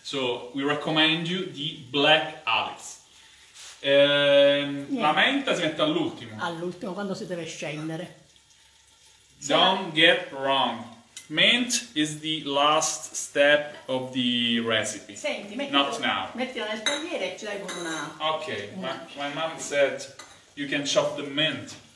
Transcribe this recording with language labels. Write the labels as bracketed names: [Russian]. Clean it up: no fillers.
[English] So we recommend you the black olives. [Italian] La menta si mette all'ultimo. All'ultimo, quando si deve scendere. [English] Don't get wrong. Mint is the last step of the recipe. [Italian] Senti, mettila nel tagliere e ce l'hai con una... [English] Ok, my mom said you can chop the mint.